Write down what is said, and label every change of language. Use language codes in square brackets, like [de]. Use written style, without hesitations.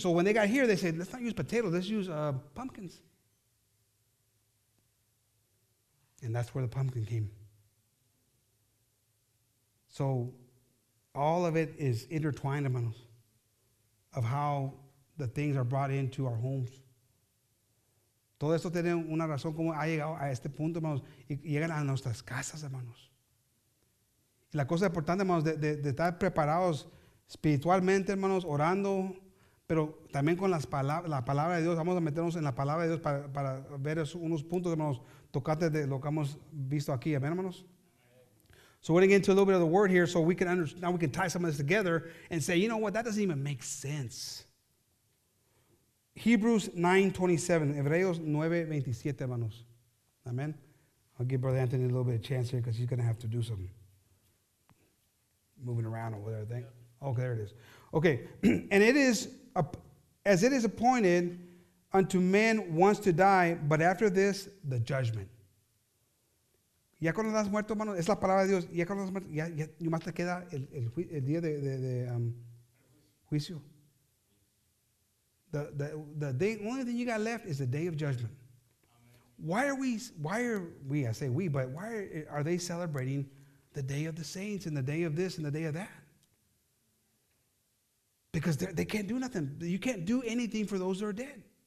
[en] So when they got here, they said, let's not use potatoes. Let's use pumpkins. And that's where the pumpkin came. So all of it is intertwined among us of how the things are brought into our homes. [es] Todo esto tiene una razón como ha llegado a este punto, hermanos, y llegan a nuestras casas, hermanos. La cosa importante, hermanos, de estar preparados espiritualmente, hermanos, orando, pero también con las palabras, la palabra de Dios. Vamos a meternos en la palabra de Dios para ver unos puntos, hermanos, tocantes de lo que hemos visto aquí, amén, hermanos. [en] So we're going to get into a little bit of the word here so we can understand, now we can tie some of this together and say, you know what, that doesn't even make sense. Hebrews 9:27, hermanos. Amen. I'll give Brother Anthony a little bit of chance here because he's going to have to do some moving around or whatever thing. Yeah. Okay, there it is. Okay. And it is, as it is appointed unto men once to die, but after this, the judgment. [es] Ya cuando estás muerto, hermano, es la palabra de Dios. Ya cuando estás muerto, ya nomás te queda el día de juicio. [en] The only thing you got left is the day of judgment. Amen. Why are they celebrating the day of the saints and the day of this and the day of that? Because they can't do nothing. You can't do anything for those that are dead.